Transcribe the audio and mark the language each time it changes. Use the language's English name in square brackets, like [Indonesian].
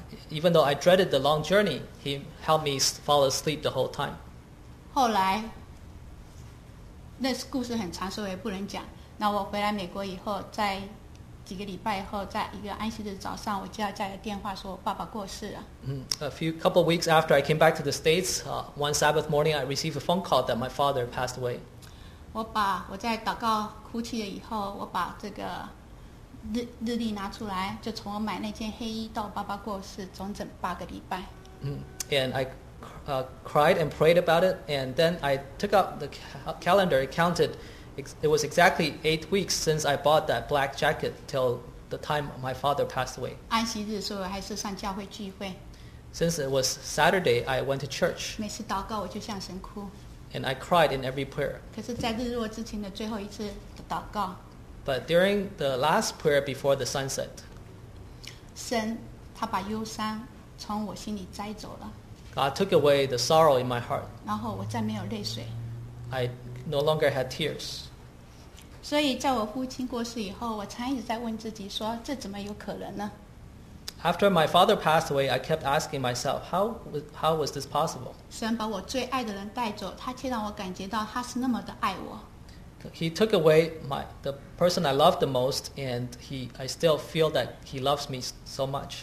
[English] Even though I dreaded the long journey, he helped me fall asleep the whole time. [Chinese] 后来，那故事很长，所以不能讲。那我回来美国以后，在几个礼拜以后，在一个安息日早上，我接到家里的电话，说我爸爸过世了。 [English] A couple of weeks after I came back to the States, one Sabbath morning, I received a phone call that my father passed away. [Chinese] 我在祷告哭泣了以后，我把这个日历拿出来，就从我买那件黑衣到爸爸过世整整八个礼拜。 [English] And I cried and prayed about it, and then I took out the calendar and counted. It was exactly 8 weeks since I bought that black jacket till the time my father passed away. [Chinese] 安息日，所以我还是上教会聚会。 [English] Since it was Saturday, I went to church. [Chinese] 每次祷告我就向神哭。 [English] And I cried in every prayer. [Chinese] 可是在日落之前的最后一次的祷告。 [English] But during the last prayer before the sunset, [Chinese] 神他把忧伤从我心里摘走了。 [English] God took away the sorrow in my heart. [Chinese] 然后我再没有泪水。 [English] I no longer had tears. [Chinese] 所以在我父亲过世以后，我常一直在问自己说，这怎么有可能呢？ [English] After my father passed away, I kept asking myself, how was this possible? [Chinese] 神把我最爱的人带走，他却让我感觉到他是那么的爱我。 [English] He took away the person I loved the most, and I still feel that he loves me so much.